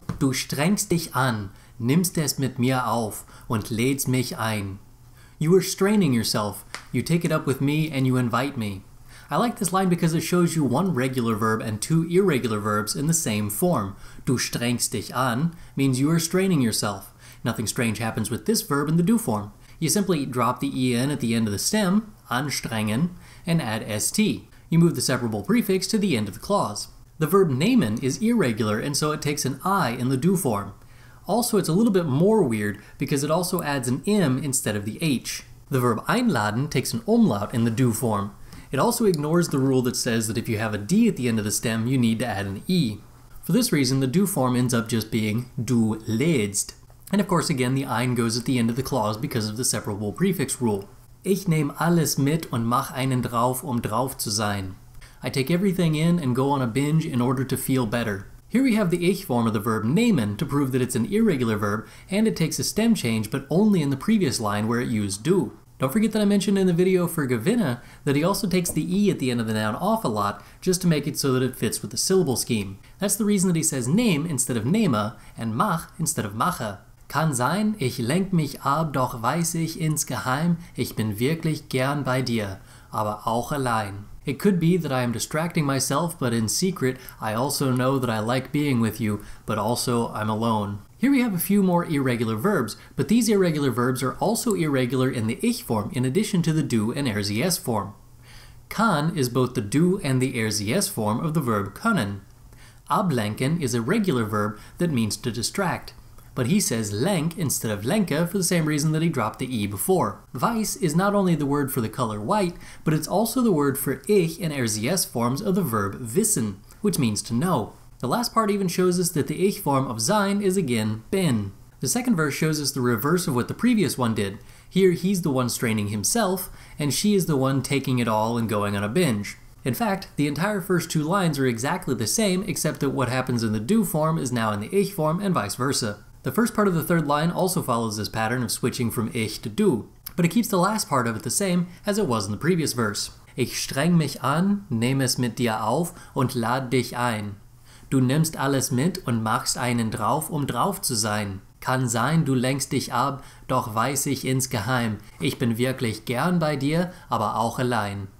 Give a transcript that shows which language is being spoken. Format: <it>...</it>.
<de>Du strengst dich an, nimmst es mit mir auf und lädst mich ein.</de> <en>You are straining yourself, you take it up with me and you invite me. I like this line because it shows you one regular verb and two irregular verbs in the same form.</en> <de>Du strengst dich an</de> <en>means you are straining yourself. Nothing strange happens with this verb in the do form. You simply drop the en at the end of the stem, anstrengen, and add st. You move the separable prefix to the end of the clause. The verb nehmen is irregular, and so it takes an I in the do form. Also, it's a little bit more weird because it also adds an M instead of the H. The verb einladen takes an umlaut in the do form. It also ignores the rule that says that if you have a D at the end of the stem, you need to add an E. For this reason, the do form ends up just being</en> <de>du lädst.</de> <en>And of course, again, the ein goes at the end of the clause because of the separable prefix rule.</en> <de>Ich nehme alles mit und mach einen drauf, drauf zu sein.</de> <en>I take everything in and go on a binge in order to feel better. Here we have the ich form of the verb nehmen to prove that it's an irregular verb, and it takes a stem change, but only in the previous line where it used du. Don't forget that I mentioned in the video for gewinne that he also takes the e at the end of the noun off a lot, just to make it so that it fits with the syllable scheme. That's the reason that he says nehm instead of nehme, and mach instead of mache.</en> <de>Kann sein, ich lenk mich ab, doch weiß ich insgeheim, ich bin wirklich gern bei dir, aber auch allein.</de> <en>It could be that I am distracting myself, but in secret, I also know that I like being with you, but also I'm alone. Here we have a few more irregular verbs, but these irregular verbs are also irregular in the ich form, in addition to the du and RZS form. Kann is both the du and the RZS form of the verb können. Ablenken is a regular verb that means to distract. But he says lenk instead of lenke for the same reason that he dropped the e before. Weiß is not only the word for the color white, but it's also the word for ich and RZS forms of the verb wissen, which means to know. The last part even shows us that the ich form of sein is again bin. The second verse shows us the reverse of what the previous one did. Here he's the one straining himself, and she is the one taking it all and going on a binge. In fact, the entire first two lines are exactly the same, except that what happens in the du form is now in the ich form and vice versa. The first part of the third line also follows this pattern of switching from ich to du, but it keeps the last part of it the same as it was in the previous verse.</en> <de>Ich streng mich an, nehme es mit dir auf und lad dich ein. Du nimmst alles mit und machst einen drauf, drauf zu sein. Kann sein, du lenkst dich ab, doch weiß ich insgeheim. Ich bin wirklich gern bei dir, aber auch allein.</de>